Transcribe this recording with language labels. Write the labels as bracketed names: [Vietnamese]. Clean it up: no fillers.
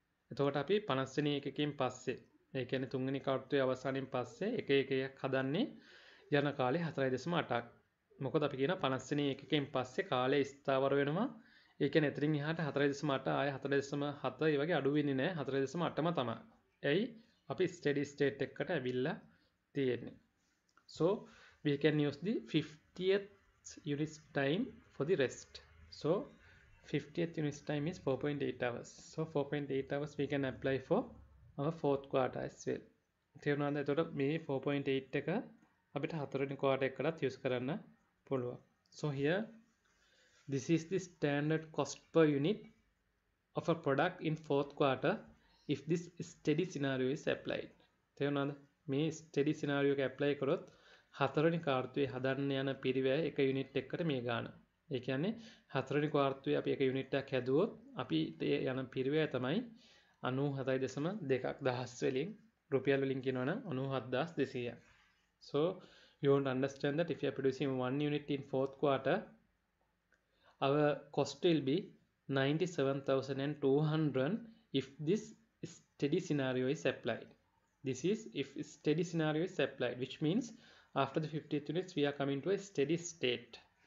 [Sinhala] එතකොට අපි 50 වෙනි එකකින් පස්සේ, ඒ කියන්නේ 3 වෙනි කාර්තුවේ අවසානයෙන් පස්සේ එක එකක් හදන්නේ යන කාලේ 4.8ක්. මොකද අපි කියනවා 50 වෙනි එකකින් පස්සේ කාලය ස්ථාවර වෙනවා. ඒ කියන්නේ එතනින් එහාට 4.8 ආය 4.7 ඒ වගේ අඩු වෙන්නේ නැහැ. 4.8ම තමයි. එයි අපි ස්ටඩි ස්ටේට් එකකට ඇවිල්ලා තියෙන්නේ. [English] So we can use the 50th unit's time for the rest. So 50th unit's time is 4.8 hours. So 4.8 hours we can apply for our fourth quarter as well. [Sinhala] තේරුණාද? එතකොට මේ 4.8 එක අපිට හතරවෙනි quarter එකටත් use කරන්න පුළුවන්. [English] So here this is the standard cost per unit of a product in fourth quarter if this steady scenario is applied. [Sinhala] තේරුණාද? මේ ස්ටඩි සිනාරියෝ එක ඇප්ලයි කරොත් හතරවෙනි කාර්තුවේ හදන්න යන පිරිවැය එක යුනිට් එකකට මේ ගාන. ඒ කියන්නේ හතරවෙනි කාර්තුවේ අපි එක යුනිට් එකක් හැදුවොත් අපි ඒ යන පිරිවැය තමයි 97.2 දහස් වලින් රුපියල් වලින් කියනවනම් 97200. [English] So you won't understand that if you are producing one unit in fourth quarter, our cost will be 97,200 if this steady scenario is applied. This is if steady scenario is applied, which means after the 50th units, we are coming to a steady state.